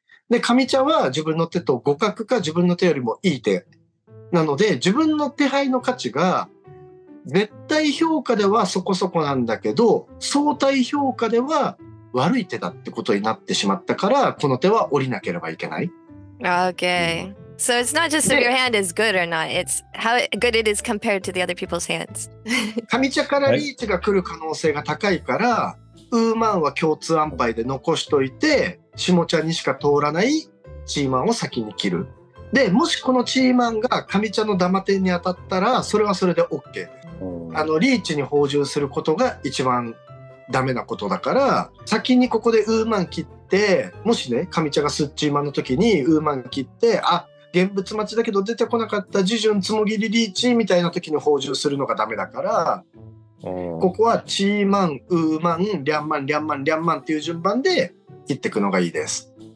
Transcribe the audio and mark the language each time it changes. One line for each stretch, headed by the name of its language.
Japanese: で、上茶は自分の手と互角か自分の手よりもいい手なので、自分の手牌の価値が絶対評価ではそこそこなんだけど、相対評価では悪い手だってことになってしまったから、この手は降りなければいけない。
English: Okay. So it's not just if your hand is good or not, it's how good it is compared to the other people's hands.
Japanese: 上茶からリーチが来る可能性が高いから、ウーマンは共通安牌で残しといて、下茶にしか通らないチーマンを先に切る。で、もしこのチーマンが上茶のダマ点に当たったら、それはそれで OK。リーチに包従することが一番ダメなことだから、先にここでウーマン切って、もしね、上茶がスッチーマンの時にウーマン切って、あ、現物待ちだけど出てこなかった、ジュジュンつもぎりリーチみたいな時に包従するのがダメだから、ここはチーマン、ウーマン、リャンマン、リャンマン、リャンマンっていう順番で、切っていくのがいいです。